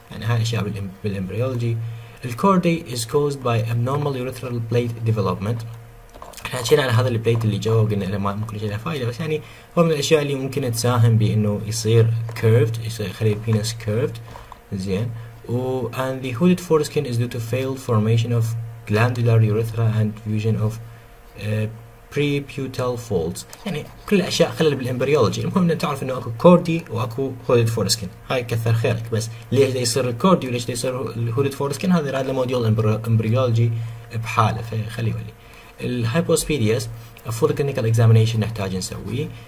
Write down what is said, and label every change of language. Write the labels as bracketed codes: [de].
[ar] يعني هاي اشياء بالامبريولوجي. [en] الكوردي is caused by abnormal urethral plate development. [ar] احنا حكينا على هذا البليت اللي جوا وقلنا له ما ممكن يصير له فائده، بس يعني هو من الاشياء اللي ممكن تساهم بانه يصير كيرفد، يصير يخلي البينس كيرفد زين. [en] و and the hooded foreskin is due to failed formation of glandular urethra and fusion of prepubertal folds. [ar] يعني كل الاشياء خلل بالامبريولوجي. المهم ان تعرف انه اكو كوردي واكو هودد فورسكين، هاي كثر خيرك. بس ليش دا يصير الكوردي وليش دا يصير الهودد فورسكين؟ هذا راد لموديول امبريولوجي بحاله، فخليه ولي. [en] الهايبوسبيدياس a full clinical examination [ar] نحتاج نسويه.